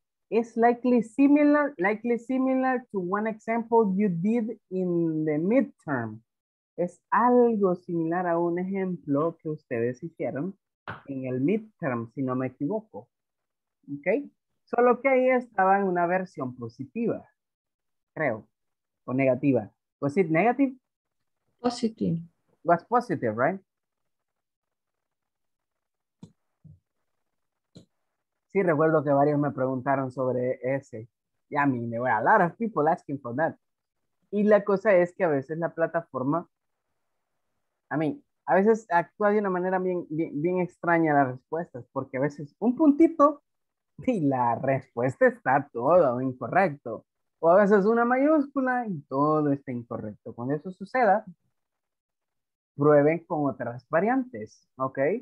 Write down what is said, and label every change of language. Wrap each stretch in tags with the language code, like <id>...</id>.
<en>It's likely similar to one example you did in the midterm.</en> <es>Es algo similar a un ejemplo que ustedes hicieron en el midterm, si no me equivoco. Okay. Solo que ahí estaba en una versión positiva. Creo, o negativa.</es> <en>Was it negative? Positive. It was positive, right?</en> <es>Sí, recuerdo que varios me preguntaron sobre ese.</es> <en>Yeah, I mean, there were a lot of people asking for that.</en> <es>Y la cosa es que a veces la plataforma, I mean, a veces actúa de una manera bien extraña las respuestas, porque a veces un puntito y la respuesta está todo incorrecto. O a veces una mayúscula y todo está incorrecto. Cuando eso suceda, prueben con otras variantes, ¿ok?</es>